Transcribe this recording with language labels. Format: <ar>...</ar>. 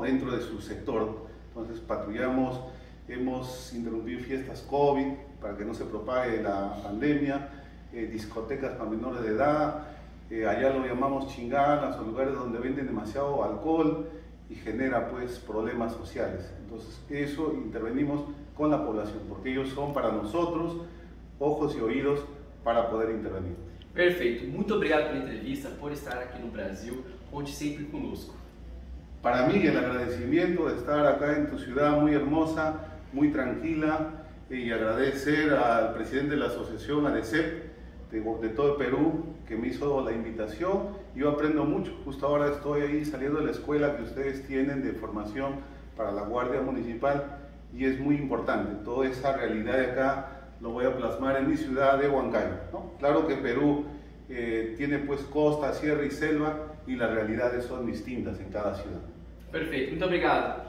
<es>Dentro de su sector. Entonces patrullamos, hemos interrumpido fiestas COVID para que no se propague la pandemia, discotecas para menores de edad, Allá lo llamamos chinganas o lugares donde venden demasiado alcohol y genera pues problemas sociales. Entonces eso intervenimos con la población porque ellos son para nosotros ojos y oídos para poder intervenir.</es> <pt>Perfeito, muito obrigado pela entrevista, por estar aqui no Brasil, conte sempre conosco. Para mim, o agradecimento de estar aqui em tua cidade, muito hermosa, muito tranquila, e agradecer ao presidente da associação, ADCEP, de todo o Peru, que</pt> <es>me hizo</es> <pt>a invitação. Eu aprendo muito, justo agora estou aí saindo da escola que vocês têm de formação para a Guardia Municipal, e é muito importante toda essa realidade aqui.</pt> <es>Lo voy a plasmar en mi ciudad de Huancayo, ¿no? Claro que Perú tiene pues costa, sierra y selva y las realidades son distintas en cada ciudad. Perfecto, muchas gracias.</es>